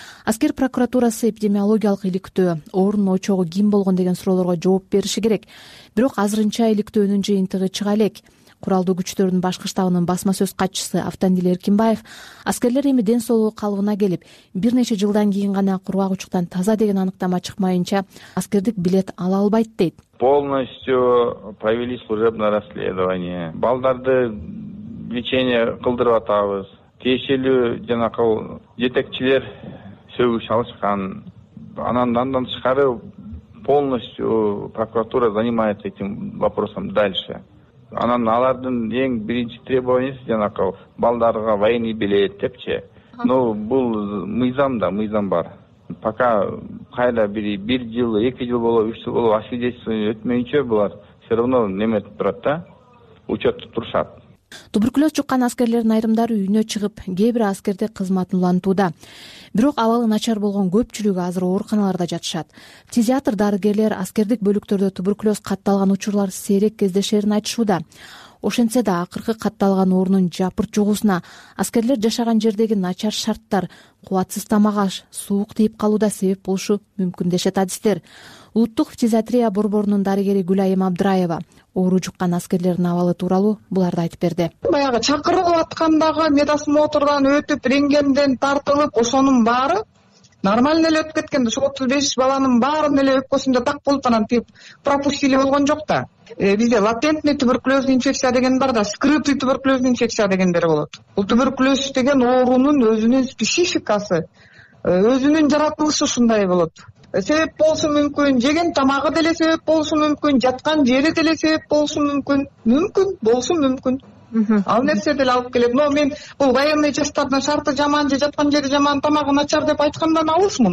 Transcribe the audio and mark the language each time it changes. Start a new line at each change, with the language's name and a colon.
Kyrgyz: Аскер прокуратурасы эпидемиологиялык иликтөө, оорунун очогу ким болгон деген суроолорго жооп бериши керек. Бирок азырынча иликтөөнүн жыйынтыгы чыга элек. Куралдуу күчтөрдүн башкы штабынын басма сөз катчысы Автандил Эркинбаев аскерлер эми ден соолугу калыбына келип, бир нече жылдан кийин гана кургак учуктан таза деген аныктама чыкмайынча аскердик билет ала албайт дейт.
Russian: Полностью провели служебное расследование.
Kyrgyz: Балдарды лечение кылдырып атабыз. Тиешелүү жанакыл жетекчилер сөгүш алышкан. Анандан тышкары
Russian: полностью прокуратура занимается этим вопросом дальше.
Kyrgyz: Анан алардын эң биринчи требованиеси жанакыл балдарга
Russian: военный билет
Kyrgyz: депчи. Но бул мыйзам да, мыйзам бар. Пока кайда бир жыл, эки жыл болобу, үч жыл болобу освидетельствование өтмөйүнчө булар
Russian: все равно
Kyrgyz: неме турат да, учетте турушат. Туберкулез чыккан аскерлердин айрымдары үйүнө чыгып, кээ бир аскерде кызматын улантууда. Бирок абалы начар болгон көпчүлүгү азыр ооруканаларда жатышат. Физиатр дарыгерлер аскердик бөлүктөрдө туберкулез катталган учурлар сейрек кездешерин айтышууда. Ошентсе да акыркы катталган орунун жапырт жугусуна, аскерлер жашаган жердеги начар шарттар, кубатсыз тамак аш, суук тийип калууда себеп болушу мүмкүн дешет адистер. Улуттук физиатрия борборунун дарыгери Гүлайым Абдыраева оору жуккан аскерлердин абалы тууралуу буларды айтып берди. Баягы чакырылып аткандагы медосмотрдан өтүп, рентгенден тартылып, ошонун баары нормально эле өтүп кеткен да, ушул 35 баланын баарын эле өпкөсүндө так болуп анан
Russian: тип пропустили
Kyrgyz: болгон жок да. Бизде
Russian: латентный туберкулезный инфекция
Kyrgyz: деген бар да,
Russian: скрытый туберкулезный инфекция
Kyrgyz: дегендер болот. Бул туберкулез деген оорунун өзүнүн спецификасы, өзүнүн жаратылышы ушундай болот. Себеп болушу мүмкүн, жеген тамагы деле себеп болушу мүмкүн, жаткан жери деле себеп болушу мүмкүн. Мүмкүн болушу мүмкүн. Ал нерсе деле алып келет. Но мен бул военный жаштардын шарты жаман же жаткан жери жаман, тамагы начар деп айткандан алышмын.